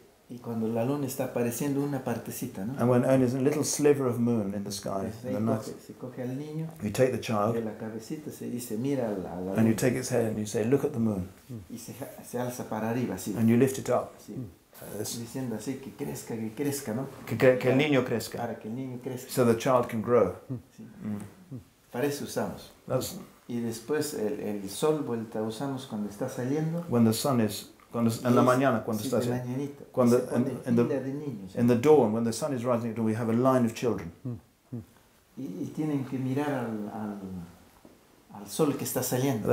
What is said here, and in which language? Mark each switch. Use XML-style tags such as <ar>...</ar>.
<es>Y cuando la luna está apareciendo una partecita, ¿no?</es> <en>And when only a little sliver of moon in the sky, the night.</en> <es>Se coge al niño.</es> <en>You take the child.</en> <es>La cabecita se dice, mira la luna.</es> <en>And you take its head and you say, look at the moon.</en> <es>Y se alza para arriba, sí.</es> <en>And you lift it up.</en> <es>Sí. Diciendo así que crezca, que crezca, ¿no? Que el niño crezca. Para que el niño crezca.</es> <en>So the child can grow.</en> <es>Sí. Para eso usamos. Y después el sol vuelta usamos cuando está saliendo.</es> <en>When the sun is</en> <es>en la mañana, cuando sí, estás cuando</es> <en>en the dawn, when the sun is rising, we have a line of children.</en> <es>Y tienen que mirar al sol que está saliendo.</es>